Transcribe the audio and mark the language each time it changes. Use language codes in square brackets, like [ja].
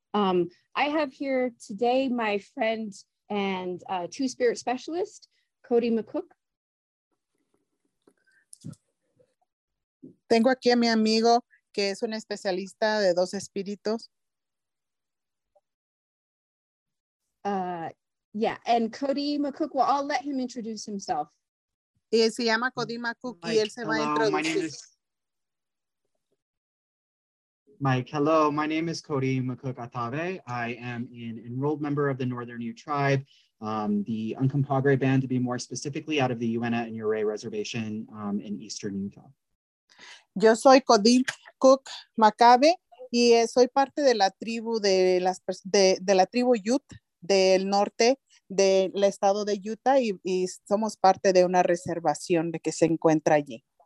[en] I have here today my friend and Two-Spirit Specialist, Cody McCook. [es] Tengo aquí a mi amigo, que es un especialista de dos espíritus. [en] And Cody McCook, well, I'll let him introduce himself. [es] Y se llama Cody McCook, Mike, y él se va a introducir. [en] Mike, hello, my name is Cody McCook Atave. I am an enrolled member of the Northern Ute Tribe, the Uncompahgre Band, to be more specifically, out of the Uena and Ouray Reservation in Eastern Utah. [es] Yo soy Cody McCook Macabe y soy parte de la tribu de la tribu Ute del norte del estado de Utah y somos parte de una reservación de que se encuentra allí.